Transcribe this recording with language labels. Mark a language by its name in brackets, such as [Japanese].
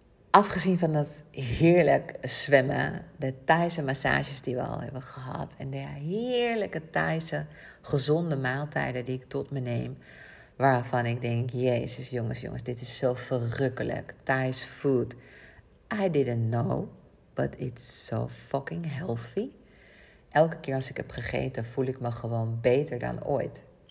[Dutch] Afgezien van dat heerlijk zwemmen. De Thaise massages die we al hebben gehad. En de heerlijke Thaise gezonde maaltijden die ik tot me neem. Waarvan ik denk, Jezus jongens. Dit is zo verrukkelijk. Thaise food. [English] I didn't know, but it's so fucking healthy. [Dutch] Elke keer als ik heb gegeten, voel ik me gewoon beter dan ooit.